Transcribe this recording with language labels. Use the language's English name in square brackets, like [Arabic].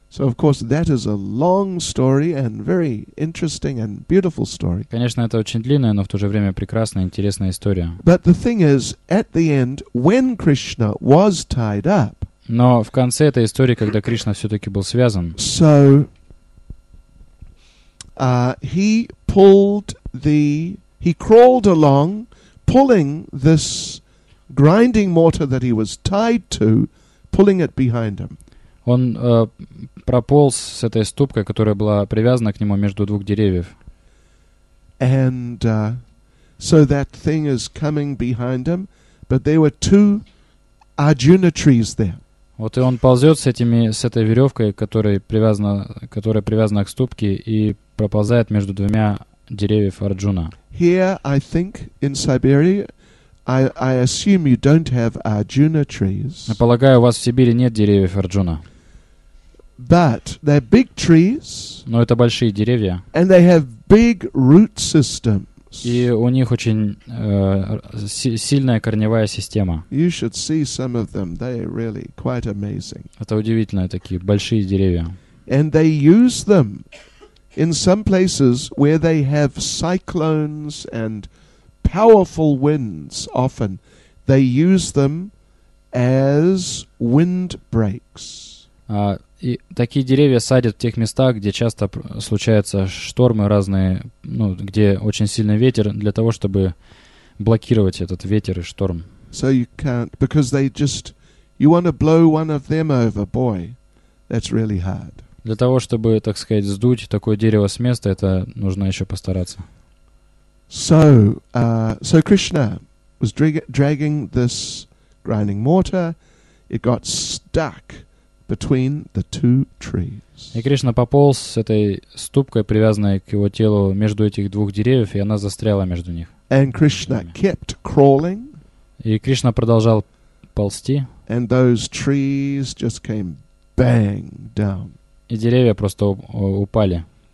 [English] So of course that is a long story and very interesting and beautiful story. [Russian] Конечно, это очень длинная, но в то же время прекрасная, интересная история. [English] But the thing is, at the end, when Krishna was tied up. [Russian] Но в конце этой истории, когда Кришна все-таки был связан. [English] So he pulled the he crawled along, pulling this grinding mortar that he was tied to, pulling it behind him. [Russian] Он прополз с этой ступкой, которая была привязана к нему между двух деревьев. [English] And so that thing is coming behind him, but there were two Arjuna trees there. [Russian] Вот и он ползет с этими с этой веревкой, которая привязана к ступке, и проползает между двумя деревьев Арджуна. [English] Here, I think, in Siberia, I assume you don't have Arjuna trees. [Russian] Я полагаю, у вас в Сибири нет деревьев Арджуна. [English] But they're big trees. [Russian] Но это большие деревья. [English] And they have big root systems. [Russian] И у них очень сильная корневая система. [English] You should see some of them. They are really quite amazing. [Russian] Это удивительные такие большие деревья. [English] And they use them in some places where they have cyclones and powerful winds. Often they use them as windbreaks. [Russian] И такие деревья садят в тех местах, где часто случаются штормы разные, ну, где очень сильный ветер, для того, чтобы блокировать этот ветер и шторм. [English] So you can't, because they just, you want to blow one of them over, boy, that's really hard. [Russian] Для того, чтобы, так сказать, сдуть такое дерево с места, это нужно еще постараться. [English] So Krishna was dragging this grinding mortar, it got stuck between the two trees. [Russian] И Кришна пополз с этой ступкой, привязанной к его телу, между этих двух деревьев, и она застряла между них. [English] And Krishna kept crawling. [Russian] И Кришна продолжал ползти. [English] And those trees just came bang down. [Russian] И деревья просто упали.